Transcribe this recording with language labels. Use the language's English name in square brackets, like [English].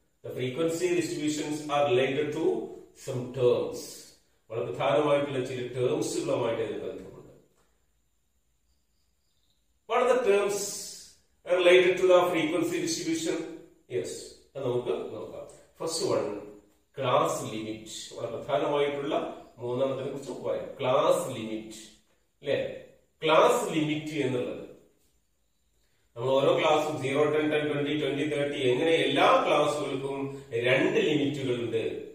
[English] the frequency distributions are related to some terms, [Malayalam] വളരെ പ്രധാനമായിട്ടുള്ള ചില ടേംസുകളുമായിട്ട് അതിന് ബന്ധമുണ്ട്. [English] What are the terms related to the frequency distribution? Yes, [Malayalam] നമുക്ക് നോക്കാം. [English] First one, class limit. [Malayalam] വളരെ പ്രധാനമായിട്ടുള്ള മൂന്നാമത്തെ കുറിച്ച് പറയാം. ക്ലാസ് ലിമിറ്റ് അല്ലെ, ക്ലാസ് ലിമിറ്റ് എന്നുള്ളത് നമ്മൾ ഓരോ ക്ലാസ്സും 0, 10, 10, 20, 20, 30 എങ്ങനെ എല്ലാ ക്ലാസുകൾക്കും 2 ലിമിറ്റുകളുണ്ട്.